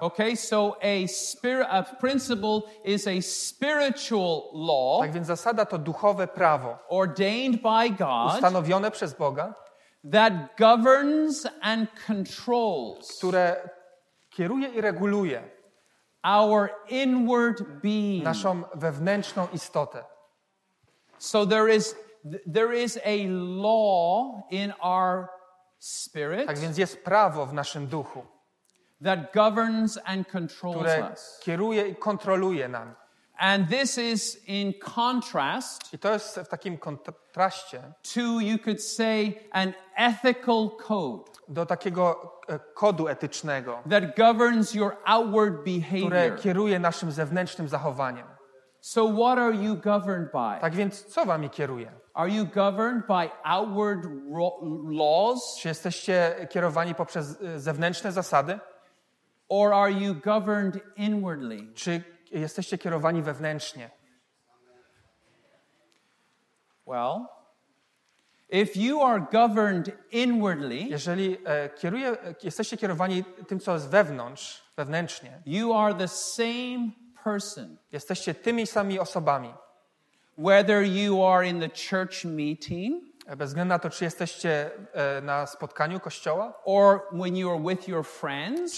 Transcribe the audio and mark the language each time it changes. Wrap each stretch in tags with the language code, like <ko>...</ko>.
<en>Okay, so a principle is a spiritual law.</en> <pl>Tak więc zasada to duchowe prawo.</pl> <en>Ordained by God.</en> <pl>Ustanowione przez Boga.</pl> <en>That governs and controls.</en> <pl>Które kieruje i reguluje.</pl> <en>Our inward being.</en> <pl>Naszą wewnętrzną istotę.</pl> <en>So there is a law in our spirit.</en> <pl>Tak więc jest prawo w naszym duchu.</pl> <en>That governs and controls</en> <pl>które</pl> <en>us.</en> <pl>Kieruje i kontroluje nam.</pl> <en>And this is in contrast.</en> <pl>I to jest w takim kontraście.</pl> <en>To you could say an ethical code.</en> <pl>Do takiego kodu etycznego.</pl> <en>That governs your outward behavior.</en> <pl>Które kieruje naszym zewnętrznym zachowaniem.</pl> <en>So what are you governed by?</en> <pl>Tak więc co wami kieruje?</pl> <en>Are you governed by outward laws?</en> <pl>Czy jesteście kierowani poprzez zewnętrzne zasady?</pl> <en>Or are you governed inwardly?</en> <pl>Czy jesteście kierowani wewnętrznie?</pl> <en>Well, if you are governed inwardly,</en> <pl>jeżeli jesteście kierowani tym, co jest wewnątrz, wewnętrznie,</pl> <en>you are the same person.</en> <pl>Jesteście tymi samymi osobami.</pl> <en>Whether you are in the church meeting,</en> <pl>bez względu na to, czy jesteście na spotkaniu kościoła,</pl> <en>or when you are with your friends,</en>